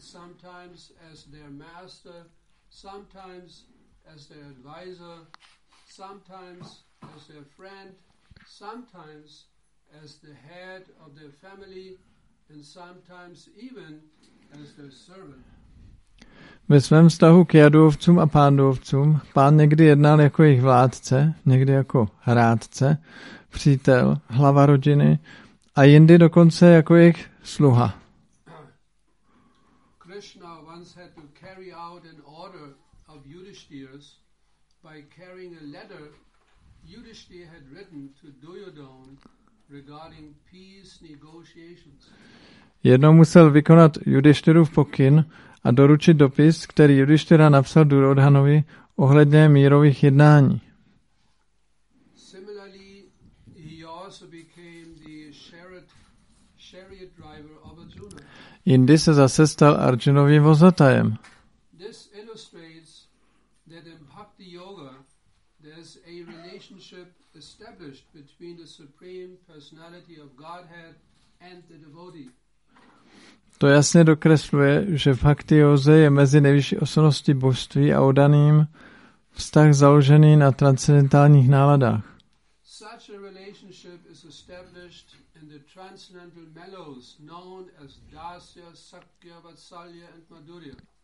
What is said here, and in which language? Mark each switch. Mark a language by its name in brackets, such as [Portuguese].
[English] Sometimes as their master, sometimes as their advisor, sometimes as their friend, sometimes as the head of their family, and sometimes even as their servant. [Czech] Ve svém vztahu k jadovcům a pándovcům pán někdy jednal jako jejich vládce, někdy jako rádce, přítel, hlava rodiny a jindy dokonce jako jejich sluha. [English] Krishna once had to carry out an order of Yudhishthira's by carrying a letter Yudhishthira had written to Duryodhana regarding peace negotiations. [Czech] Jednou musel vykonat Yudhishthirův pokyn a doručit dopis, který Yudhishthira napsal Duryodhanovi ohledně mírových jednání. [English] Similarly, he also became the chariot driver of Arjuna. [Czech] Jindy se zase stal Arjunovým vozatajem. [English] This illustrates that in bhakti yoga there's a relationship established between the supreme personality of Godhead and the devotee. [Czech] To jasně dokresluje, že v bhakti yoze je mezi nejvyšší osobností božství a oddaným vztah založený na transcendentálních náladách. [English] Such a relationship is established in the transcendental mellows known as Dasya, Sakya, Vatsalya and Madhurya.